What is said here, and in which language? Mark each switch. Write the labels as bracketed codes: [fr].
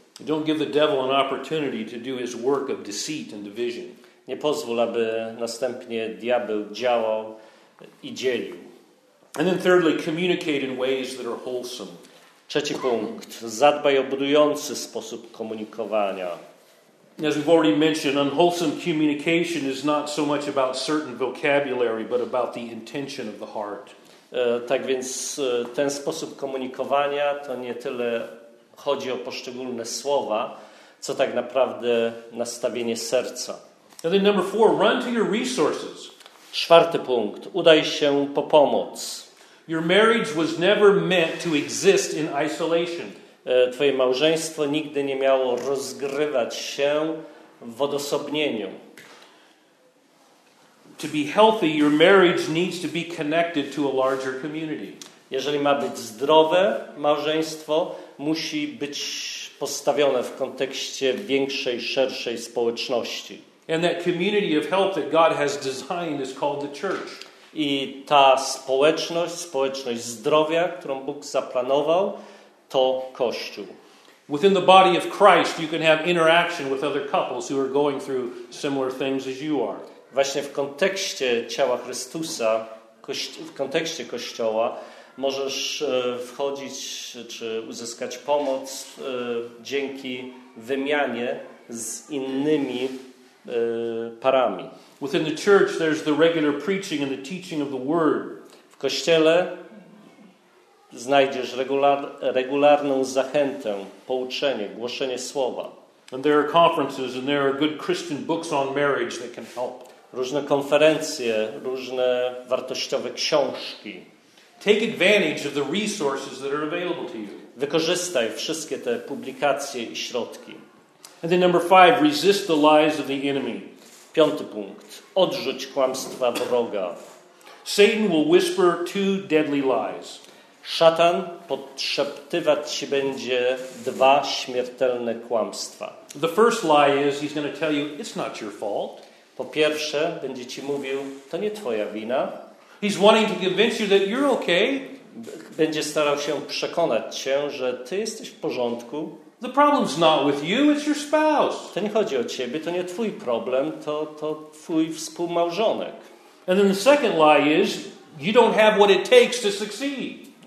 [en] Don't give the devil an opportunity to do his work of deceit and division. [pl] Nie pozwól, aby następnie diabeł działał i dzielił. [en] And then thirdly, communicate in ways that are wholesome. [pl] Trzeci punkt. Zadbaj o budujący sposób komunikowania. [en] As we've already mentioned, unwholesome communication is not so much about certain vocabulary, but about the intention of the heart. [pl] Tak więc ten sposób komunikowania to nie tyle chodzi o poszczególne słowa, co tak naprawdę nastawienie serca. [en] And then number four, run to your resources. [pl] Czwarty punkt. Udaj się po pomoc. [en] Your marriage was never meant to exist in isolation. [pl] Twoje małżeństwo nigdy nie miało rozgrywać się w odosobnieniu. [en] To be healthy, your marriage needs to be connected to a larger community. [pl] Jeżeli ma być zdrowe, małżeństwo musi być postawione w kontekście większej, szerszej społeczności. [en] And that community of help that God has designed is called the church. [pl] I ta społeczność zdrowia, którą Bóg zaplanował, to Kościół. [en] Within the body of Christ you can have interaction with other couples who are going through similar things as you are. [pl] Właśnie w kontekście ciała Chrystusa, w kontekście Kościoła, możesz wchodzić czy uzyskać pomoc dzięki wymianie z innymi parami. [en] Within the church there's the regular preaching and the teaching of the word. [pl] W kościele znajdziesz regularną zachętę, pouczenie, głoszenie słowa. [en] And there are conferences and there are good Christian books on marriage that can help. [pl] Różne konferencje, różne wartościowe książki. [en] Take advantage of the resources that are available to you. [pl] Wykorzystaj wszystkie te publikacje i środki. [en] And then number five, resist the lies of the enemy. [pl] Piąty punkt. Odrzuć kłamstwa wroga. [en] Satan will whisper two deadly lies. [pl] Szatan podszeptywać ci będzie dwa śmiertelne kłamstwa. [en] The first lie is he's going to tell you it's not your fault. [pl] Po pierwsze, będzie ci mówił, to nie twoja wina. [en] He's wanting to convince you that you're okay. [pl] Będzie starał się przekonać cię, że ty jesteś w porządku. [en] The problem's not with you, it's your spouse. [pl] To nie chodzi o ciebie, to nie twój problem, to twój współmałżonek. [en] And then the second lie is you don't have what it takes to succeed.